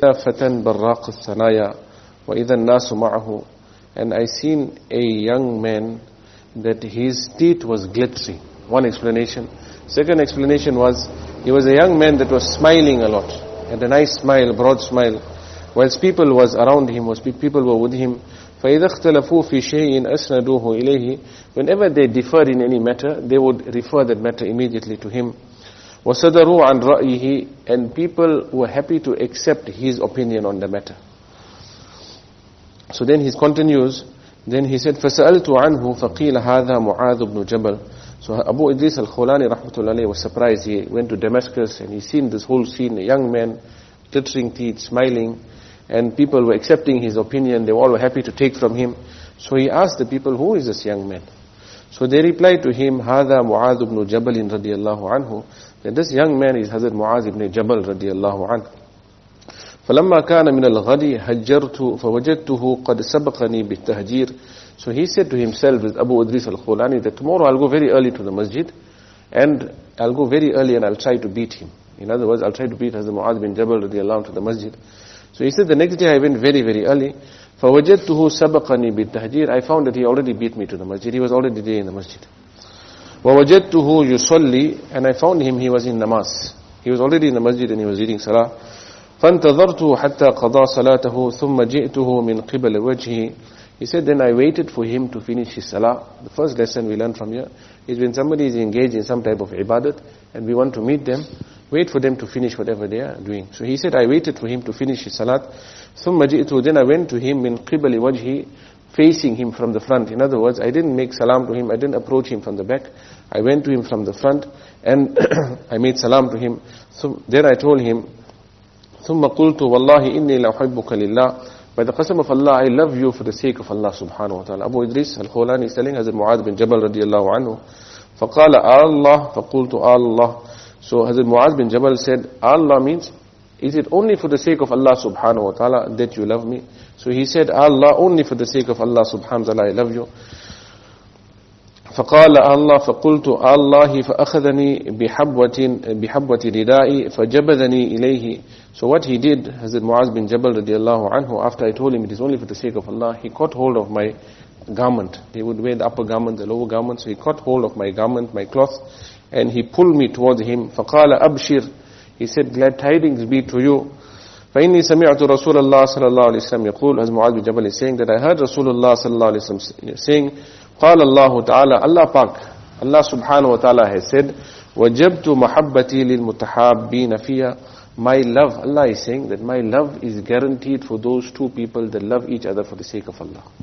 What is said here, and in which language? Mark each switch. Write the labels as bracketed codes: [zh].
[ar] فتى براق الثنايا وإذا الناس معه. [en] And I seen a young man that his teeth was glittering. One explanation. Second explanation was, he was a young man that was smiling a lot. Had a nice smile, broad smile. Whilst people was around him, people were with him. [ar] فَإِذَا اخْتَلَفُوا فِي شَيْءٍ أَسْنَدُوهُ إِلَيْهِ. [en] Whenever they differed in any matter, they would refer that matter immediately to him. [ar] وَصَدَرُوا عَنْ رَأْيِهِ. [en] And people were happy to accept his opinion on the matter. So then he continues, then he said, [ar] فَسَأَلْتُ عَنْهُ فَقِيلَ هَذَا مُعَاذُ بْنُ جَبَلٍ. [en] So Abu Idris al-Khulani rahmatullahi was surprised. He went to Damascus and he seen this whole scene, a young man, glittering teeth, smiling, and people were accepting his opinion. They were all happy to take from him. So he asked the people, who is this young man? So they replied to him, [ar] هَذَا مُعَاذُ بْنُ جَبَلٍ [en] radiallahu anhu. That this young man is Hazrat Mu'adh ibn Jabal radiallahu anhu. [ar] فلما كان من الغد هجرت فوجدته قد سبقني بالتهجير. [en] So he said to himself, with Abu Idris al-Khulani, that tomorrow I'll go very early to the masjid, and I'll go very early and I'll try to beat him. In other words, I'll try to beat Hazrat Mu'adh bin Jabal radiallahu anhu to the masjid. So he said, the next day I went very, very early. [ar] فوجدته سبقني بالتهجير. [en] I found that he already beat me to the masjid. He was already there in the masjid. [ar] ووجدته يصلي. [en] And I found him, he was in namaz. He was already in the masjid and he was reading salah. [ar] فانتظرته حتى قضى صلاته ثم جئته من قبل وجهه. [en] He said, then I waited for him to finish his salah. The first lesson we learn from here is when somebody is engaged in some type of ibadat and we want to meet them, wait for them to finish whatever they are doing. So he said, I waited for him to finish his salat. [ar] ثم جئته. [en] Then I went to him [ar] من قبل وجهه, [en] facing him from the front. In other words, I didn't make salam to him. I didn't approach him from the back. I went to him from the front and I made salam to him. So then I told him, [ar] ثم قلت والله إني لأحبك لله. [en] By the qasam of Allah, I love you for the sake of Allah subhanahu wa ta'ala. Abu Idris al-Khulani is telling Hazrat Mu'adh bin Jabal radiallahu anhu. [ar] فَقَالَ Allah, فَقُلْتُ Allah. [en] So Hazrat Mu'adh bin Jabal said, Allah means, is it only for the sake of Allah subhanahu wa ta'ala that you love me? So he said, Allah, only for the sake of Allah subhanahu wa ta'ala, I love you. [ar] فقال الله فقلت الله فأخذني بحبوة ردائي فجبذني إليه. [en] So what he did, Hazrat Mu'adh bin Jabal radiallahu anhu, after I told him it is only for the sake of Allah, he caught hold of my garment. They would wear the upper garment, the lower garment. So he caught hold of my garment, my cloth, and he pulled me towards him. [ar] فقال أبشر. [en] He said, glad tidings be to you. [ar] فإني سمعت رسول الله صلى الله عليه وسلم يقول. [en] Hazrat Mu'adh bin Jabal is saying that I heard [ar] رسول الله صلى الله عليه وسلم [en] saying, [ar] قال الله تعالى, [en] Allah Pak, Allah subhanahu wa ta'ala has said, [ar] وَجَبْتُ مَحَبَّتِي لِلْمُتَحَابِّينَ فِيهَا. [en] My love, Allah is saying that my love is guaranteed for those two people that love each other for the sake of Allah.